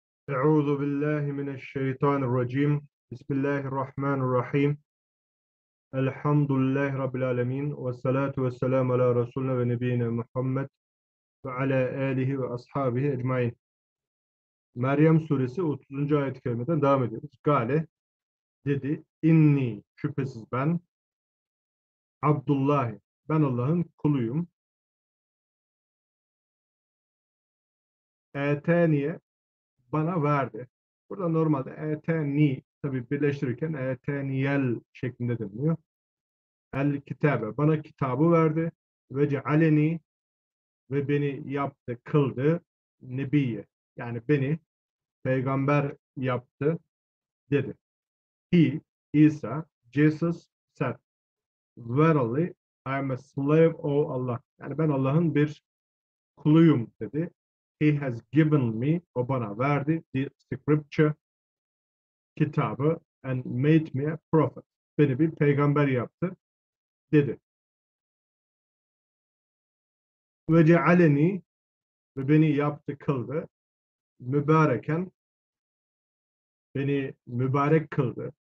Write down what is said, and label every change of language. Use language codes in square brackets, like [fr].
[ar] أعوذ بالله من الشيطان الرجيم. بسم الله الرحمن الرحيم. الحمد لله رب العالمين، والصلاة والسلام على رسولنا ونبينا محمد وعلى آله وأصحابه أجمعين. [tr] مريم suresi 30. ayet kerimeden devam ediyoruz. Gale dedi, İnni, şüphesiz ben, Abdullah, ben Allah'ın kuluyum. Etaniye, bana verdi. Burada normalde etenni, tabi birleştirirken eteniyel şeklinde deniliyor. El kitabe, bana kitabı verdi. Ve cealeni, ve beni yaptı, kıldı. Nebiye, yani beni peygamber yaptı dedi. [en] He, İsa, Jesus said, verily I am a slave of Allah. [tr] Yani ben Allah'ın bir kuluyum dedi. [en] He has given me, [tr] o bana verdi, [en] the scripture, kitabı, and made me a prophet. [tr] Beni bir peygamber yaptı, dedi. Ve cealeni, ve beni yaptı, kıldı, mübareken, beni mübarek kıldı.